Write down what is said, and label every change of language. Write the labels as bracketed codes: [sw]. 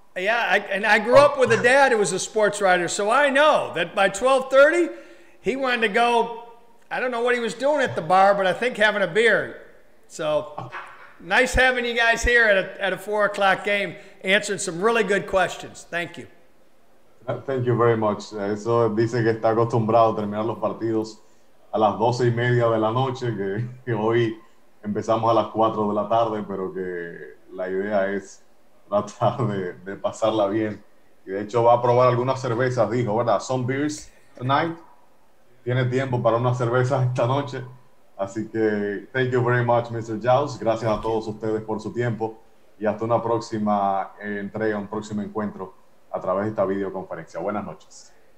[en] Yeah, I grew up with a dad who was a sports writer, so I know that by 12:30, he wanted to go, I don't know what he was doing at the bar, but I think having a beer. So nice having you guys here at a 4 o'clock game, answering some really good questions. Thank you. Thank you very much. [es] Eso dice que está acostumbrado a terminar los partidos a las 12:30 de la noche, que hoy empezamos a las 4 de la tarde, pero que la idea es tratar de pasarla bien. Y de hecho va a probar algunas cervezas, dijo, ¿verdad? [en] Some beers tonight. [es] Tiene tiempo para una cerveza esta noche. Así que, [en] thank you very much, Mr. Jones. [es] Gracias a todos ustedes por su tiempo. Y hasta una próxima entrega, un próximo encuentro a través de esta videoconferencia. Buenas noches.